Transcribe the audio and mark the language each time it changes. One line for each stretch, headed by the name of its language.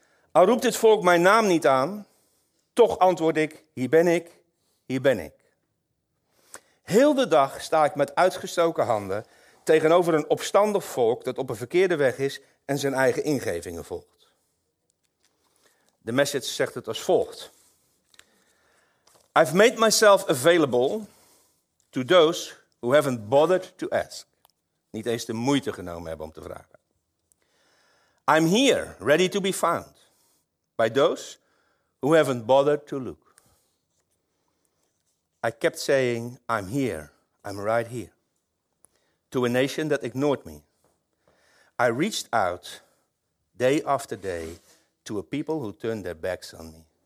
Dutch: Al roept het volk mijn naam niet aan, toch antwoord ik, hier ben ik, hier ben ik. Heel de dag sta ik met uitgestoken handen tegenover een opstandig volk dat op een verkeerde weg is en zijn eigen ingevingen volgt. De Message zegt het als volgt.
English: I've made myself available to those who haven't bothered to ask.
Dutch: Niet eens de moeite genomen hebben om te vragen.
English: I'm here, ready to be found by those who haven't bothered to look. I kept saying, I'm here, I'm right here. To a nation that ignored me. I reached out day after day to a people who turned their backs on me.